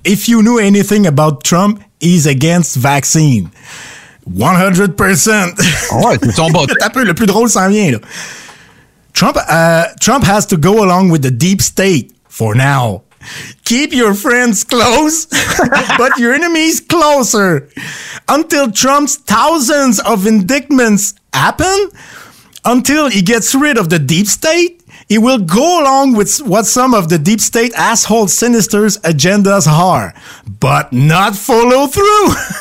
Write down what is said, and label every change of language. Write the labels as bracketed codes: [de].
[en] If you knew anything about Trump, he's against vaccine. 100%. [fr] Ouais, t'as peu, le plus drôle s'en vient, là. [en] Trump has to go along with the deep state for now. Keep your friends close, but your enemies closer. Until Trump's thousands of indictments happen, until he gets rid of the deep state, it will go along with what some of the deep state asshole sinister's agendas are, but not follow through.